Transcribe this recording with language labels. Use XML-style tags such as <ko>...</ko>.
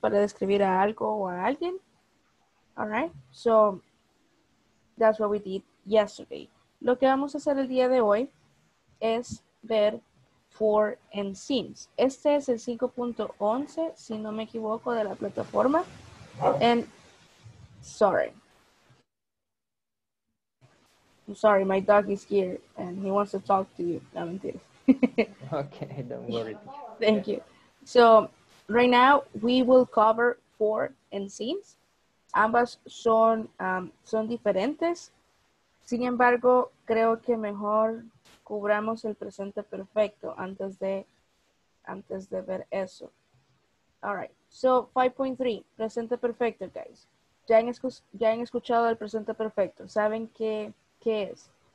<es>Para describir a algo o a alguien.</es> <en>All right? So that's what we did yesterday.</en> <es>Lo que vamos a hacer el día de hoy es ver for and since. Este es el 5.11, si no me equivoco, de la plataforma.</es> <en>And I'm sorry, my dog is here and he wants to talk to you. Okay, don't worry. Thank you. So right now we will cover for and since.</en> <es>Ambas son son diferentes. Sin embargo, creo que mejor cubramos el presente perfecto antes de ver eso.</es> <en>All right. So 5.3, presente perfecto, guys.</en> <es>¿Ya han escuchado el presente perfecto? ¿Saben qué es?</es>